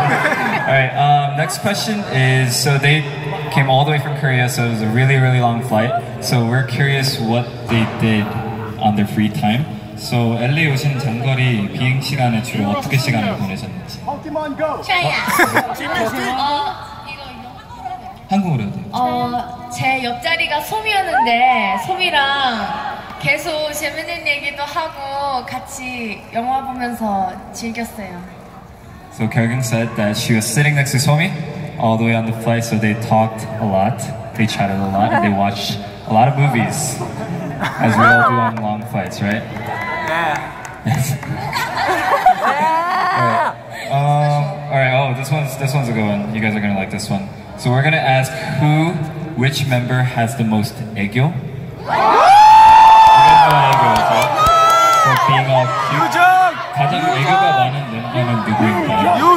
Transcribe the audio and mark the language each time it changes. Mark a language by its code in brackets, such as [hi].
[en] All right, next question is, so they came all the way from Korea, so it was a really, really long flight. So we're curious what they did on their free time. [ko] So LA 오신 장거리 비행 시간에 주로 어떻게 시간을 보내셨는지? [en] Pokemon Go! [ko] 저야! 한국어로 해야 돼요. 제 옆자리가 소미였는데 소미랑 계속 재밌는 얘기도 하고 같이 영화 보면서 즐겼어요. [en] So Kyogun said that she was sitting next to Somi all the way on the flight, so they talked a lot, they chatted a lot, and they watched a lot of movies, as we all do on long flights, right? Yeah. Yeah. All right. Oh, this one's a good one. You guys are gonna like this one. So we're gonna ask which member has the most aegyo? So being all cute. [ko] 가장 애교가 많은 멤버는 누구일까요?